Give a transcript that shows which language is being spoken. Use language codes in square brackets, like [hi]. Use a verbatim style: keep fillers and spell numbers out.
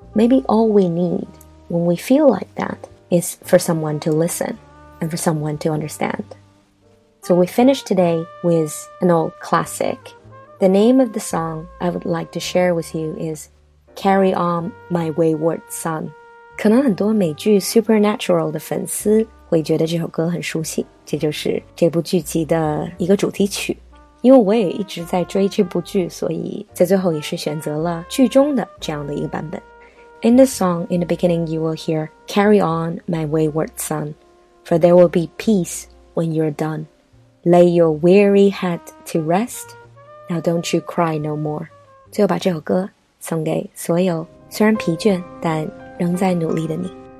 [en] Maybe all we need when we feel like that is for someone to listen and for someone to understand. So we finish today with an old classic. The name of the song I would like to share with you is Carry On My Wayward Son. [zh] 可能很多美剧 Supernatural 的粉丝会觉得这首歌很熟悉，这就是这部剧集的一个主题曲。因为我也一直在追这部剧，所以在最后也是选择了剧中的这样的一个版本。 [en] In this song, in the beginning, you will hear, Carry on, my wayward son, for there will be peace when you're done. Lay your weary head to rest, now don't you cry no more. [zh] 最后把这首歌送给所有虽然疲倦但仍在努力的你。